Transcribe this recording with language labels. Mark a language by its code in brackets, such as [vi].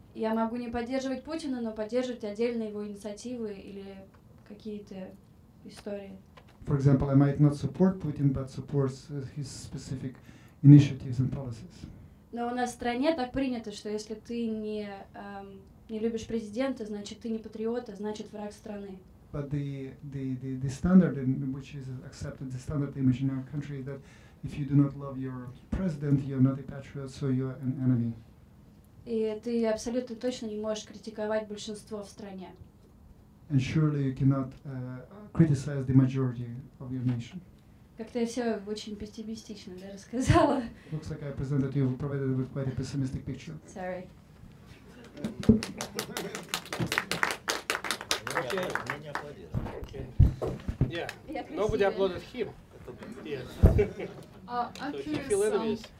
[ru] Я могу не поддерживать Путина, но поддерживать отдельно его инициативы или какие-то истории. [en] For example, I might not support Putin, but support his specific initiatives and policies. [ru] Но у нас в стране так принято, что если ты не не любишь президента, значит ты не патриот, а значит враг страны. [en] But the standard in which is accepted, the standard image in our country is that if you do not love your president, you're not a patriot, so you're an enemy. [ru] И ты абсолютно точно не можешь критиковать большинство в стране. [en] And surely you cannot criticize the majority of your nation. [ru] Как-то я все очень пессимистично, да, рассказала. [en] Looks like I presented you provided with quite a pessimistic picture. Sorry. Nobody applauded him.